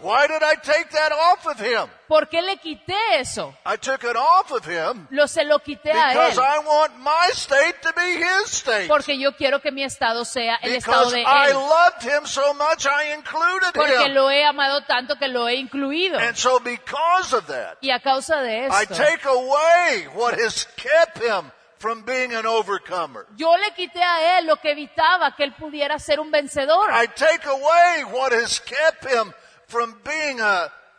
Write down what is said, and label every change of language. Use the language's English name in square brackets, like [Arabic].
[English] Why did I take that off of him? [Spanish] ¿Por qué le quité eso? [English] I took it off of him. [Spanish] Lo se lo quité a él. [English] Because I want my state to be his state. [Spanish] Porque yo quiero que mi estado sea el estado de él. [English] Because I loved him so much I included [Spanish] porque [English] him. [Spanish] Porque lo he amado tanto que lo he incluido. [English] And so because of that. [Spanish] Y a causa de esto. [English] I take away what has kept him from being an overcomer. [Spanish] Yo le quité a él lo que evitaba que él pudiera ser un vencedor. [English] I take away what has kept him from being a